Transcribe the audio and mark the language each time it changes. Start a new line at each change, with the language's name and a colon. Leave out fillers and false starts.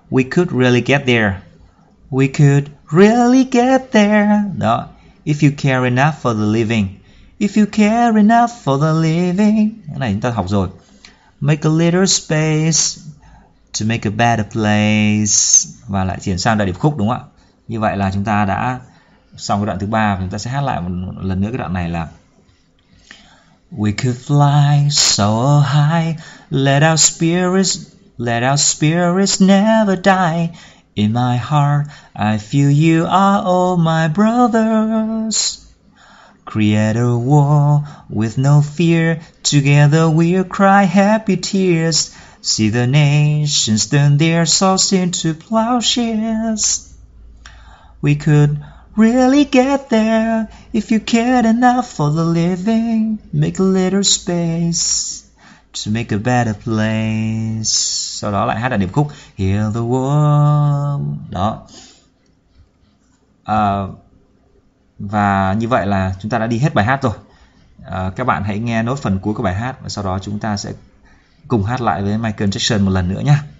English: We could really get there. We could really get there. Đó. If you care enough for the living. If you care enough for the living.
Vietnamese: Cái này chúng ta học rồi.
English: Make a little space to make a better place.
Vietnamese: Và lại chuyển sang đại điệp khúc, đúng không ạ? Như vậy là chúng ta đã xong cái đoạn thứ ba. Chúng ta sẽ hát lại một lần nữa cái đoạn này là
English: We could fly so high, let our spirits Let our spirits never die. In my heart, I feel you are all my brothers. Create a world with no fear. Together we'll cry happy tears. See the nations turn their swords into plowshares. We could really get there if you cared enough for the living. Make a little space to make a better place.
Vietnamese: Sau đó lại hát đại điệp khúc Heal the world. Đó. Và như vậy là chúng ta đã đi hết bài hát rồi. Các bạn hãy nghe nốt phần cuối của bài hát và sau đó chúng ta sẽ cùng hát lại với Michael Jackson một lần nữa nhé.